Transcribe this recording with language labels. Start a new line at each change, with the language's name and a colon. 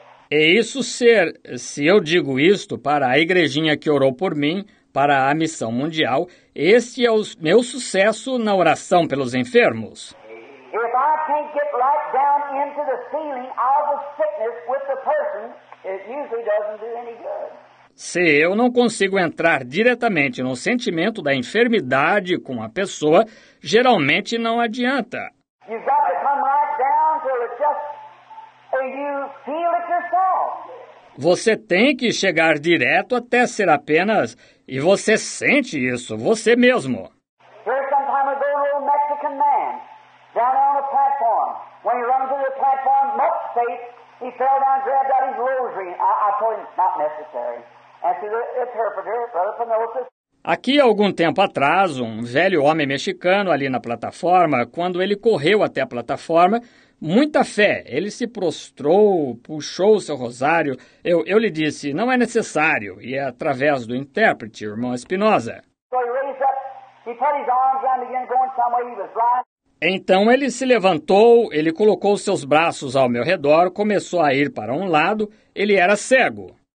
Portuguese: E isso ser, se eu digo isto para a igrejinha que orou por mim, para a missão mundial, este é o meu sucesso na oração pelos enfermos.
English: If I can't get right down into the feeling of the sickness with the person, it usually doesn't do any good.
Portuguese: Se eu não consigo entrar diretamente no sentimento da enfermidade com a pessoa, geralmente não adianta.
English: You've got to come right down till it's just, and you feel it yourself.
Portuguese: Você tem que chegar direto até ser apenas, e você sente isso, você mesmo.
English: There's some time ago, an old Mexican man. Down on a platform. When he runs into the platform, much faith, he fell down and grabbed out his rosary. I told him, not necessary. And to the interpreter, Brother Penosis.
Portuguese: Aqui, algum tempo atrás, um velho homem mexicano ali na plataforma, quando ele correu até a plataforma, muita fé, ele se prostrou, puxou o seu rosário. Eu lhe disse, não é necessário. E é através do intérprete, irmão Espinosa.
English: So he raised up, he put his arms down again, going somewhere, he was blind.
Portuguese: Então ele se levantou, ele colocou seus braços ao meu redor, começou a ir para um lado, ele era cego.